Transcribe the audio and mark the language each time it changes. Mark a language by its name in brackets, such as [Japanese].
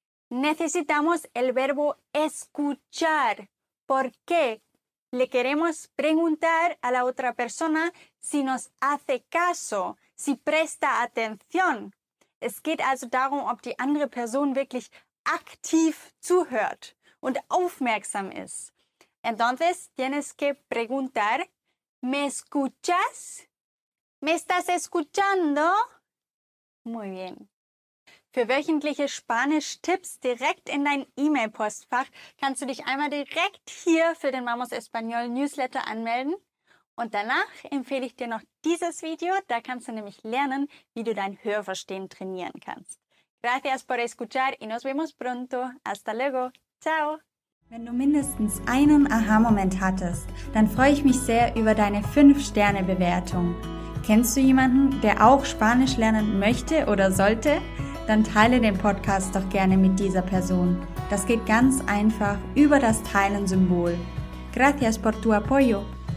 [Spanish] Necesitamos el verbo escuchar. ¿Por qué? le queremos preguntar a la otra persona si nos hace caso, si presta atención. [German] Es geht also darum, ob die andere Person wirklich aktiv zuhört und aufmerksam ist. [Spanish] Entonces, tienes que preguntar, ¿me escuchas? ¿Me estás escuchando? Muy bien. [German] Für wöchentliche Spanisch-Tipps direkt in dein E-Mail-Postfach kannst du dich einmal direkt hier für den Vamos Español Newsletter anmelden. Und danach empfehle ich dir noch dieses Video, da kannst du nämlich lernen, wie du dein Hörverstehen trainieren kannst. [Spanish] Gracias por escuchar y nos vemos pronto. Hasta luego. Ciao. [German] Wenn du mindestens einen Aha-Moment hattest, dann freue ich mich sehr über deine 5-Sterne-Bewertung. Kennst du jemanden, der auch Spanisch lernen möchte oder sollte? Dann teile den Podcast doch gerne mit dieser Person. Das geht ganz einfach über das Teilen-Symbol. [Spanish] Gracias por tu apoyo.